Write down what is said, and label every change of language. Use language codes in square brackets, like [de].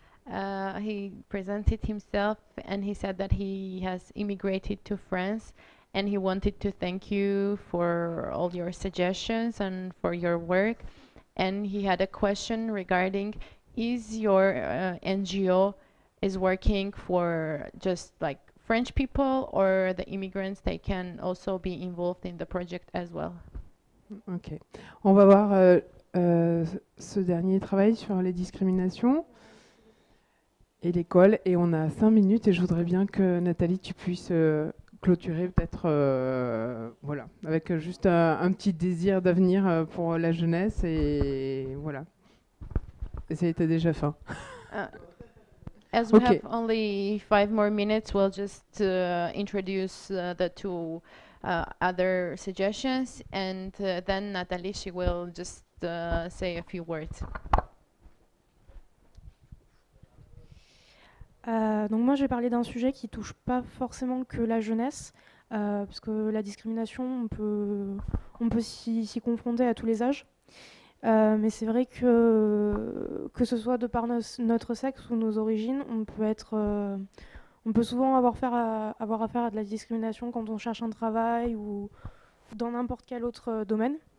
[en] He presented himself and he said that he has immigrated to France and he wanted to thank you for all your suggestions and for your work. And he had a question regarding, is your NGO is working for just like French people or the immigrants, they can also be involved in the project as well? Okay. [fr] On va voir ce dernier travail sur les discriminations et l'école, et on a 5 minutes, et je voudrais bien que Nathalie, tu puisses clôturer peut-être, voilà, avec juste un petit désir d'avenir pour la jeunesse, et voilà. Et c'était déjà fin. [en] As we okay. have only 5 more minutes, we'll just introduce the two other suggestions, and then Nathalie, she will just say a few words. [fr] Donc moi, je vais parler d'un sujet qui touche pas forcément que la jeunesse, parce que la discrimination, on peut s'y confronter à tous les âges. Mais c'est vrai que ce soit de par notre sexe ou nos origines, on peut souvent avoir affaire à de la discrimination quand on cherche un travail ou dans n'importe quel autre domaine.